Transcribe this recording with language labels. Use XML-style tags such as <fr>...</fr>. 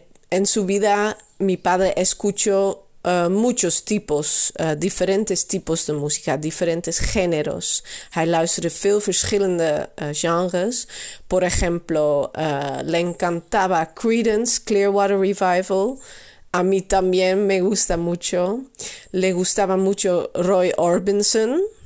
<es>En su vida, mi padre escuchó muchos tipos, diferentes tipos de música, diferentes géneros.</es> <nl>Hij luisterde veel verschillende genres.</nl> <es>Por ejemplo, le encantaba Creedence, Clearwater Revival. A mí también me gusta mucho. Le gustaba mucho Roy Orbison.</es>